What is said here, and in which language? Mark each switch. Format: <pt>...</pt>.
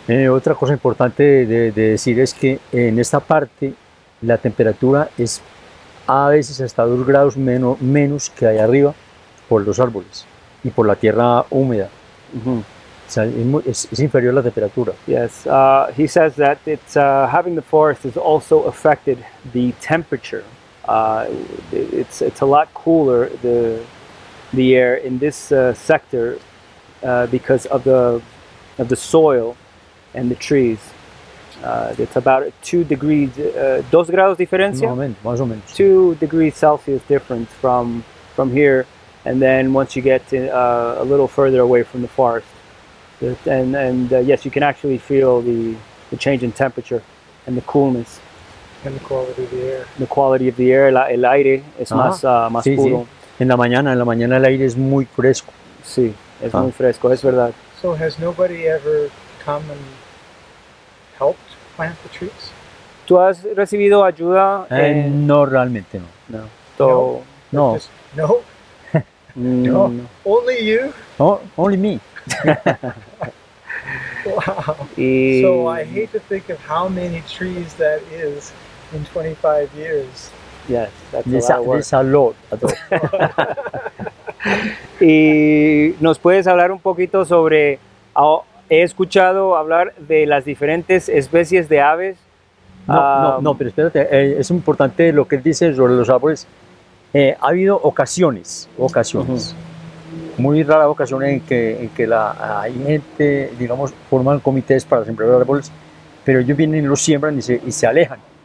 <es>Otra cosa importante de decir es que en esta parte la temperatura es a veces hasta 2 grados menos que allá arriba por los árboles y por la tierra húmeda. Mm-hmm. Es inferior la temperatura.</es> <en>Yes, he says that it's having the forest has also affected the temperature. It's a lot cooler, the the air in this sector because of the soil and the trees. It's about 2 degrees,</en> <es>dos grados diferencia? Más o menos.</es> <en>2 degrees Celsius difference from here. And then once you get to, a little further away from the forest, yes, you can actually feel the change in temperature and the coolness. And the quality of the air. The quality of the air,</en> <es>el aire es más sí, puro. Sí. En la mañana el aire es muy fresco. Sí, es muy fresco, es verdad.</es> <en>So has nobody ever come and helped plant the trees?</en> <es>¿Tú has recibido ayuda? No, realmente no. No.</es> <en>So,</en> <es>no.</es> <en>No. No. Only you? Oh, only me. Wow. Y, so I hate to think of how many trees that is in 25 years. Yes, that's a lot of work. It's a lot. A lot.</en> <es>Y nos puedes hablar un poquito sobre, he escuchado hablar de las diferentes especies de aves. No, pero espérate, es importante lo que dices sobre los árboles. Ha habido ocasiones, muy rara ocasión en que hay gente, digamos, forman comités para sembrar árboles, pero ellos vienen y lo siembran y se alejan.</es>